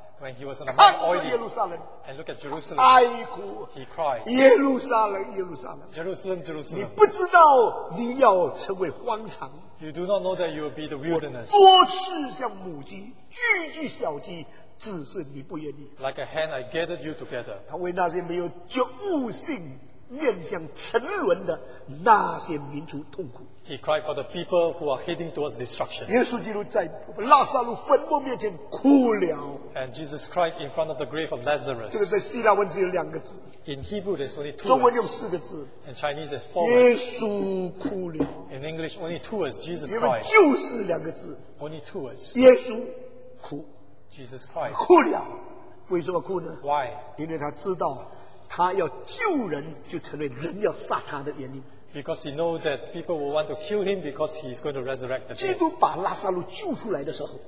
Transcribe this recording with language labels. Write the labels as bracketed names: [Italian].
[English] when he was on the Mount of Olives, and look at Jerusalem, [Chinese] 哀哭, [English] he cried, [Chinese] 耶路撒冷, 耶路撒冷, [English] Jerusalem, Jerusalem, [Chinese] 你不知道你要成为荒场, [English] you do not know that you will be the wilderness. [Chinese] 多次像母鸡, 聚集小鸡, 只是你不愿意, [English] like a hen, I gathered you together. [Chinese] 他为那些没有觉悟性, 面向沉沦的那些民族痛苦, [English] he cried for the people who are heading towards destruction. [Chinese] 耶稣基督在拉萨路坟墓面前哭了, [English] and Jesus cried in front of the grave of Lazarus. [Chinese] 这个在希腊文只有两个字, [English] in Hebrew there's only two words, [Chinese] 中文用四个字, [English] in Chinese there's four words, [Chinese] 耶稣哭了, [English] in English only two words, Jesus cried, [Chinese] 就是两个字, [English] only two words, [Chinese] 耶稣哭, [English] Jesus cried, [Chinese] 哭了, 为什么哭呢? [English] Why? [Chinese] 因为他知道, 他要救人, 就成为人要杀他的原因, [English] because he knows that people will want to kill him because he is going to resurrect the dead. [Chinese] 基督把拉萨路救出来的时候,